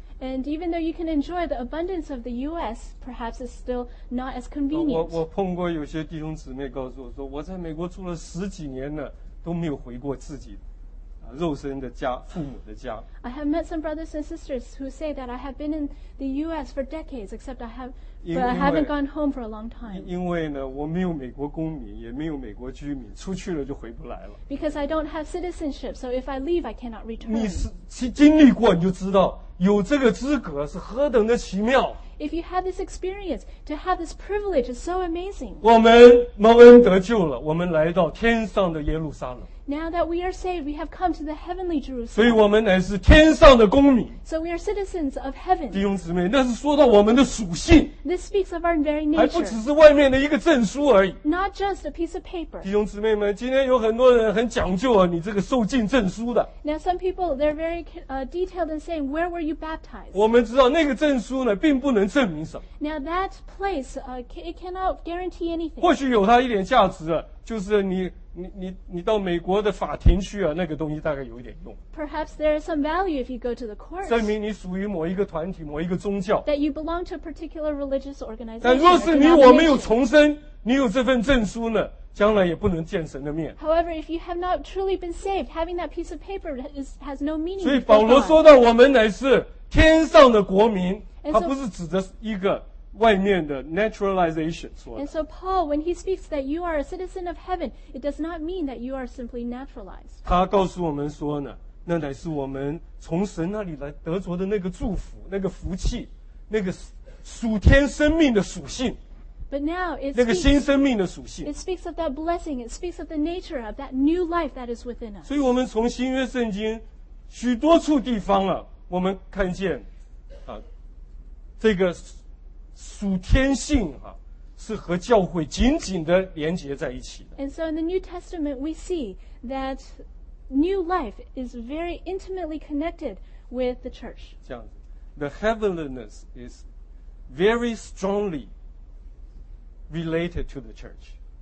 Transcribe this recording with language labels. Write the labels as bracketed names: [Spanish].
[English] And even though you can enjoy the abundance of the U.S., perhaps it's still not as convenient. [Chinese] 我碰过有些弟兄姊妹告诉我说，我在美国住了十几年呢，都没有回过自己的。肉身的家，父母的家。 [English] I have met some brothers and sisters who say that I have been in the U.S. for decades, except but I haven't gone home for a long time. [Chinese] 因为呢，我没有美国公民，也没有美国居民，出去了就回不来了。 [English] Because I don't have citizenship, so if I leave, I cannot return. [Chinese] 你是经历过，你就知道有这个资格是何等的奇妙。 [English] If you have this experience, to have this privilege is so amazing. [Chinese] 我们蒙恩得救了，我们来到天上的耶路撒冷。 [English] Now that we are saved, we have come to the heavenly Jerusalem. [Chinese] 所以我们乃是天上的公民。 [English] So we are citizens of heaven. [Chinese] 弟兄姊妹，那是说到我们的属性。 [English] This speaks of our very nature. [Chinese] 还不只是外面的一个证书而已。 [English] Not just a piece of paper. [Chinese] 弟兄姊妹们，今天有很多人很讲究啊，你这个受浸证书的。 [English] Now some people, they're very detailed in saying, where were you baptized? [Chinese] 我们知道那个证书呢，并不能证明什么。 [English] Now that place, it cannot guarantee anything. [Chinese] 或许有它一点价值啊，就是你到美国的法庭去啊，那个东西大概有一点用。 [English] Perhaps there is some value if you go to the court. [Chinese] 证明你属于某一个团体、某一个宗教。 [English] That you belong to a particular religious organization. [Chinese] 但若是你我没有重生，你有这份证书呢，将来也不能见神的面。 [English] However, if you have not truly been saved, having that piece of paper has no meaning. [Chinese] 所以保罗说到我们乃是天上的国民，他不是指的一个。外面的 naturalization 说的。 [English] And so Paul, when he speaks that you are a citizen of heaven, it does not mean that you are simply naturalized. [Chinese] 他告诉我们说呢，那乃是我们从神那里来得着的那个祝福、那个福气、那个属天生命的属性。 [English] But now it's [Chinese] 那个新生命的属性。 [English] It speaks of that blessing. It speaks of the nature of that new life that is within us. [Chinese] 所以我们从新约圣经许多处地方啊，我们看见啊，这个。属天性啊，是和教会紧紧的连接在一起的。 [English] And so in the New Testament, we see that new life is very intimately connected with the church. [Chinese] 这样子 [English] ，the heavenliness is very strongly related to the church.